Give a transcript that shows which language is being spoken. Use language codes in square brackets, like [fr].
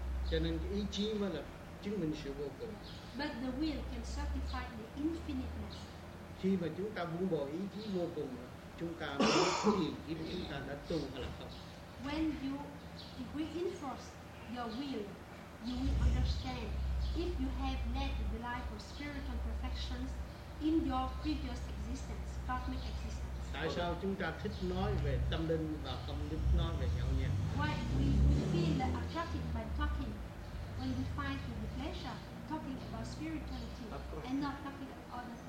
[vi] Cho nên ý chí mới là chứng minh sự vô cùng. [en] But the will can certify the infiniteness. [vi] Khi mà chúng ta buông bỏ ý chí vô cùng, chúng ta mới hiểu ý mà chúng ta đã tu hay là không. [en] When you reinforce your will, you will understand if you have led the life of spiritual perfections in your previous existence, cosmic existence. [vi] Tại sao chúng ta thích nói về tâm linh và không thích nói về nhau nhé? [en] Why we feel attracted by talking when we find the pleasure talking about spirituality and not talking about